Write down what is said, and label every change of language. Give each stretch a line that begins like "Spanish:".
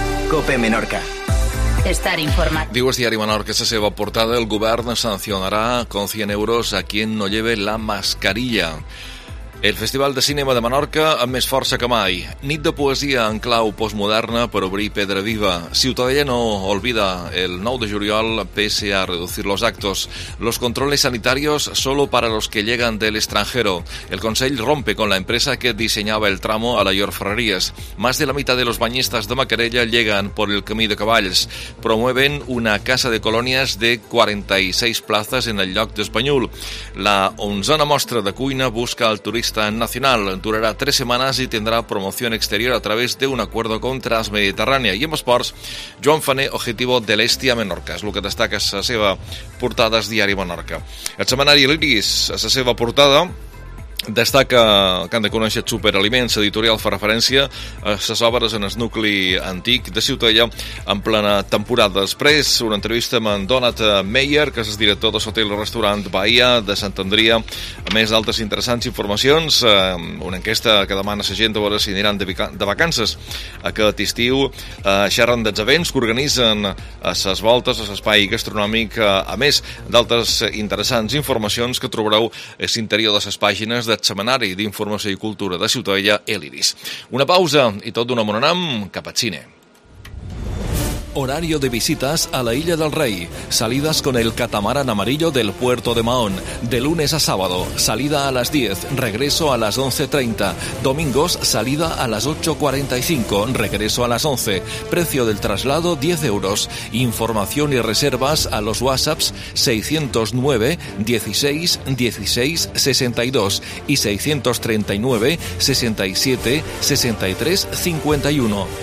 Catalan: Cope Menorca. Estar informat. Diu el diari Menorca, la seva portada, el govern sancionarà
Spanish: con 100 euros a quien no lleve la mascarilla.
Catalan: El Festival de Cinema de Menorca amb més força que mai. Nit de poesia en clau postmoderna per obrir pedra viva.
Spanish: Ciutadella no olvida el 9 de juliol, pese a reducir los actos. Los controles sanitarios solo para los que llegan del extranjero. El Consell rompe con la empresa que diseñaba el tramo a la Llorferreries. Más de la mitad de los bañistas de Macarella llegan por el Camí de Cavalls. Promueven una casa de colonias de 46 plazas en el lloc d'Espanyol. La onzena mostra de cuina busca el turismo nacional. Durará 3 semanas y tendrá promoción exterior a través de un acuerdo con Transmediterránea. Y en esports, Joan Fané, objetivo de l'Estia Menorca.
Catalan: És el que destaca la seva portada diari Menorca. El setmanari L'Iris, la seva portada, destaca que han de conèixer superaliments. L'editorial fa referència a les obres en el nucli antic de Ciutadella en plena temporada. Després, una entrevista amb en Donat Meyer, que és el director de l'hotel restaurant Bahia de Sant Andrià. A més d'altres interessants informacions, una enquesta que demana la gent a veure si aniran de vacances aquest estiu. Xerren dels events que organitzen a les voltes a l'espai gastronòmic. A més d'altres interessants informacions que trobareu a l'interior de les pàgines del setmanari d'informació i cultura de Ciutadella, L'Iris. Una pausa i tot d'una mononam cap a cine.
Spanish: Horario de visitas a la Isla del Rey. Salidas con el catamarán amarillo del puerto de Mahón. De lunes a sábado, salida a las 10, regreso a las 11:30. Domingos, salida a las 8:45, regreso a las 11. Precio del traslado, 10 euros. Información y reservas a los WhatsApps 609 16 16 62 y 639 67 63 51.